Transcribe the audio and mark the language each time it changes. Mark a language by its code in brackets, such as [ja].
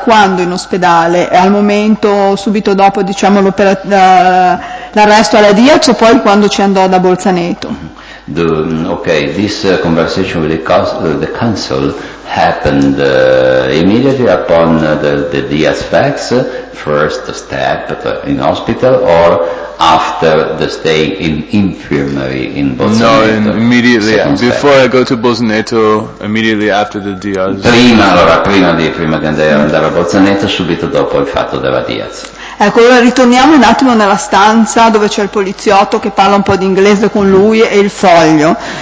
[it] Quando in ospedale? Al momento, subito dopo, diciamo, l'arresto alla Diaz, o poi quando ci andò da Bolzaneto? [en] This conversation with the council happened immediately upon the Diaz facts, first step in hospital, or after the stay in infirmary in Bolzaneto? No, immediately, before I go to Bolzaneto, immediately after the Diaz. [it] Prima di andare a Bolzaneto, subito dopo il fatto della Diaz. Ecco, ora ritorniamo un attimo nella stanza dove c'è il poliziotto che parla un po' di inglese con lui e il foglio.